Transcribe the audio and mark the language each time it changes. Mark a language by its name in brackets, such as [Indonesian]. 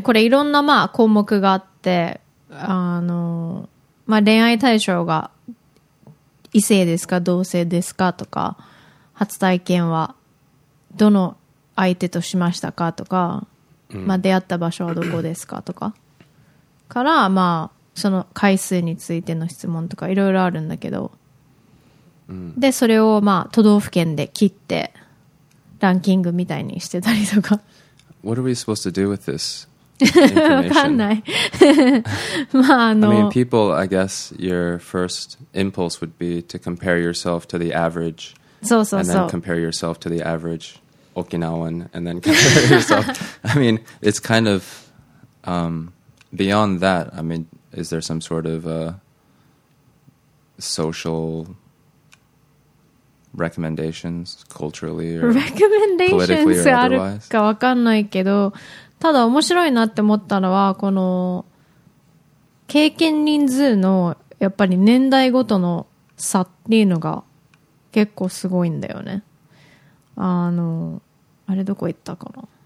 [Japanese] これいろんな、まあ、項目があって、まあ、恋愛対象が異性ですか、同性ですかとか、初体験はどの相手としましたかとか、うん、まあ、出会った場所はどこですかとか。からまあその回数についての質問とかいろいろあるんだけど、うん、でそれをまあ都道府県で切ってランキングみたいにしてたりとか。 [English] What are we supposed to do with this information? [Japanese] わかんない。まああの。 [English] I mean, people, I guess your first impulse would be to compare yourself to the average. [Japanese] そうそうそう。 [English] And then compare yourself to the average Okinawan, and then compare yourself. I mean, it's kind of Beyond that, I mean, is there some sort of a social recommendations culturally or recommendations politically or otherwise? [Japanese] あるかわかんないけど、ただ面白いなって思ったのは、この経験人数のやっぱり年代ごとの差っていうのが結構すごいんだよね。あの、あれどこ行ったかな？